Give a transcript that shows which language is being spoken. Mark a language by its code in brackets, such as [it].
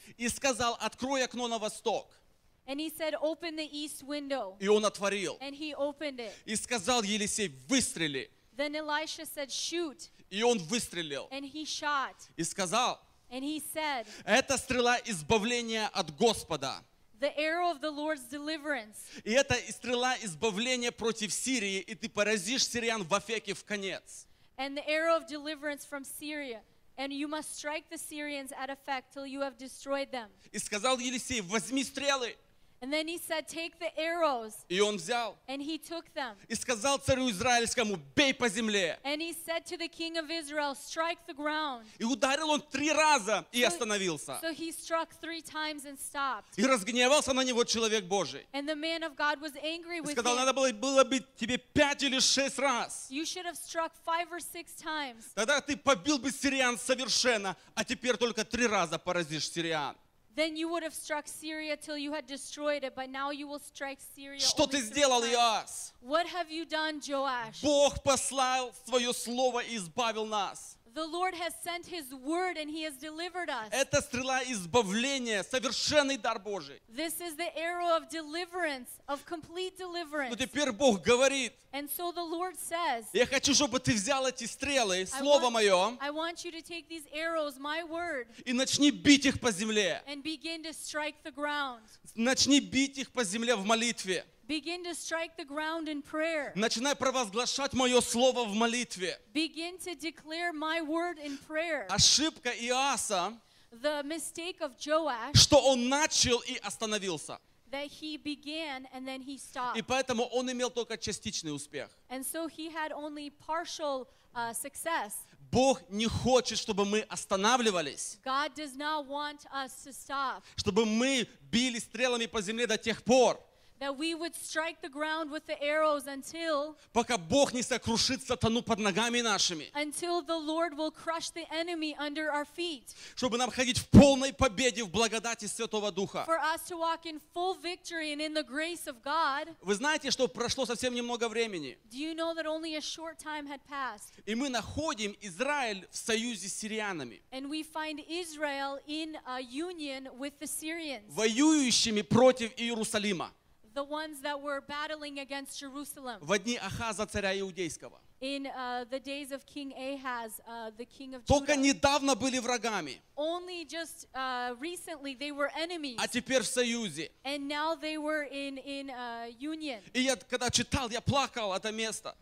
[ru] И сказал, открой окно на восток. [en] And he said, open the east window. [ru] И он отворил. [en] And he opened it. [ru] И сказал Елисей, выстрели. [en] Then Elisha said, shoot. [ru] И он выстрелил. [en] And he shot. [ru] И сказал, [en] and he said, [ru] это стрела избавления от Господа. [en] The arrow of the Lord's deliverance. [ru] И это стрела избавления против Сирии, и ты поразишь сириан в Афеке в конец. [en] And the arrow of deliverance from Syria. And you must strike the Syrians at Afek till you have destroyed them. [ru] И сказал Елисей, возьми стрелы. [en] And then he said, take the arrows. [ru] И он взял. [en] And he took them. [ru] И сказал царю израильскому, бей по земле. [en] And he said to the king of Israel, strike the ground. [ru] И ударил он три раза и остановился. [en] So he struck three times and stopped. [ru] И разгневался на него человек Божий. [en] And the man of God was angry with him. [ru] И сказал, надо было бы тебе пять или шесть раз. [en] You should have struck five or six times. [ru] Тогда ты побил бы сириан совершенно, а теперь только три раза поразишь сириан. [en] Then you would have struck Syria till you had destroyed it, but now you will strike Syria. [ru] Что ты сделал, Иоас? [en] What have you done, Joash? [ru] Бог послал свое слово и избавил нас. [en] The Lord has sent His word and He has delivered us. [ru] Это стрела избавления, совершенный дар Божий. [en] This is the arrow of deliverance, of complete deliverance. [ru] Но теперь Бог говорит. [en] And so the Lord says. [ru] Я хочу, чтобы ты взял эти стрелы, слово мое. [en] I want you to take these arrows, my word. [ru] И начни бить их по земле. [en] And begin to strike the ground. [ru] Начни бить их по земле в молитве. [en] Begin to strike the ground in prayer. [ru] Начинай провозглашать мое слово в молитве. [en] Begin to declare my word in prayer. [ru] Ошибка Иоаса. [en] The mistake of Joash. [ru] Что он начал и остановился. [en] That he began and then he stopped. [ru] И поэтому он имел только частичный успех. [en] And so he had only partial success. [ru] Бог не хочет, чтобы мы останавливались. [en] God does not want us to stop. [ru] Чтобы мы били стрелами по земле до тех пор. [en] That we would strike the ground with the arrows until. [ru] Пока Бог не сокрушит сатану под ногами нашими. [en] Until the Lord will crush the enemy under our feet. [ru] Чтобы нам ходить в полной победе в благодати Святого Духа. [en] For us to walk in full victory and in the grace of God. [ru] Вы знаете, что прошло совсем немного времени. [en] Do you know that only a short time had passed? [ru] И мы находим Израиль в союзе с сирианами. [en] And we find Israel in a union with the Syrians. [ru] Воюющими против Иерусалима. [en] The ones that were battling against Jerusalem. [ru] В дни Ахаза царя иудейского. [en] In the days of King Ahaz, the king of Judah. [ru] Только недавно были врагами. [en] Only just recently they were enemies. [ru] А теперь в союзе. [en] And now they were in union. [ru] И я когда читал, я плакал это место.